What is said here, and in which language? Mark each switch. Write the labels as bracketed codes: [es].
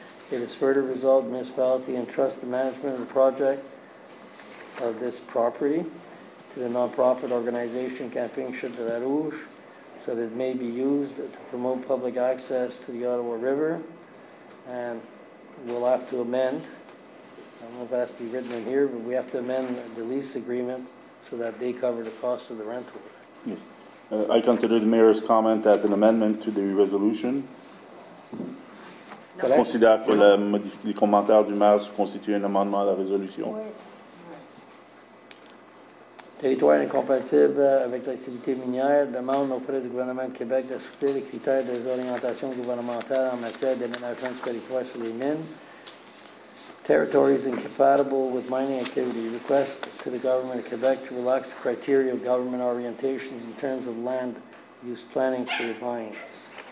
[en] It is further resolved, municipality entrust the management of the project of this property to the nonprofit organization Camping Chute La Rouge, so that it may be used to promote public access to the Ottawa River. And we'll have to amend, I don't know if it has to be written in here, but we have to amend the lease agreement so that they cover the cost of the rental. Yes. I consider the mayor's comment as an amendment to the resolution. Correct. [fr] Je considère que les commentaires du maire se constituent un amendement à la résolution. Territoire incompatible avec l'activité minière demande auprès du gouvernement de Québec d'assouplir les critères des orientations gouvernementales en matière d'aménagement du territoire sur les mines. [en] Territories incompatible with mining activity. Request to the government of Quebec to relax the criteria of government orientations in terms of land use planning for the mines.